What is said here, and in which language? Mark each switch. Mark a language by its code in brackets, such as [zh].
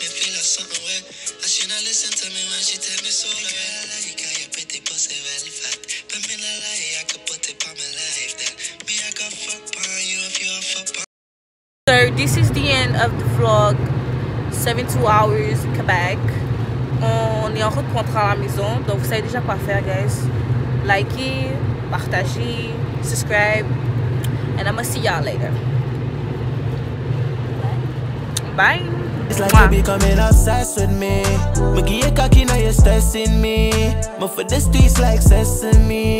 [en] me when she tell me so girl, like your pretty pussy really fat. But me not lie, I could put it on my life that me I could fuck on you if you fuck on. So this is the end of the vlog. 72 hours in Quebec. [fr] On est en route pour rentrer à la maison, donc vous savez déjà quoi faire, guys. Likez, partagez, [en] subscribe, and I'ma see y'all later. Bye. It's like you becoming obsessed with me. Maggie cocky, now you're stressing me. But for this tweet's like sesame.